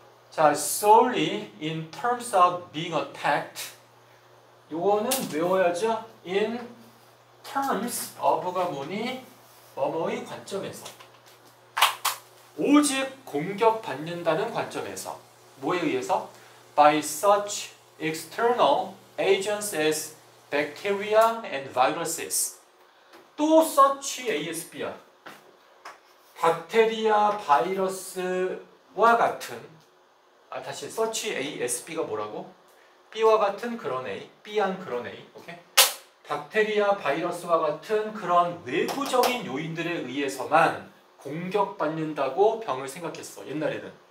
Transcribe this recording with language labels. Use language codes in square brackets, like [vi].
[en] 자, solely in terms of being attacked. [ko] 요거는 외워야죠. In terms of가 뭐니? 뭐뭐의 관점에서. 오직 공격받는다는 관점에서. 뭐에 의해서? [en] By such external agents as bacteria and viruses. [ko] 또 such ASB야. 박테리아, 바이러스와 같은. 아, 다시 such ASB가 뭐라고? B와 같은 그런 A, B한 그런 A, 오케이? 박테리아, 바이러스와 같은 그런 외부적인 요인들에 의해서만 공격받는다고 병을 생각했어, 옛날에는.